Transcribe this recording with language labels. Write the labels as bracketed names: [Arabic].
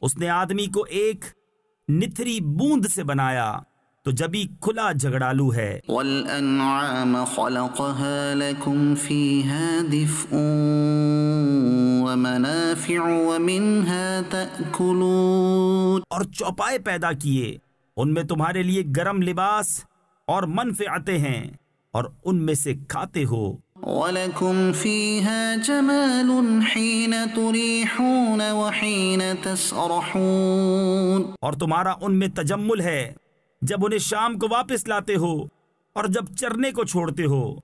[Urdu] اس نے آدمی کو ایک نتھری بوند سے بنایا تو جب ہی کھلا جھگڑالو ہے. [Arabic] والانعام خلقها لكم فيها دفء ومنافع ومنها تأكلون. [Urdu] اور چوپائے پیدا کیے, ان میں تمہارے لیے گرم لباس اور منفعتیں ہیں اور ان میں سے کھاتے ہو. [Arabic] ولكم فيها جمال حين تريحون وحين تسرحون. [Urdu] اور تمہارا ان میں تجمل ہے جب انہیں شام کو واپس لاتے ہو اور جب چرنے کو چھوڑتے ہو.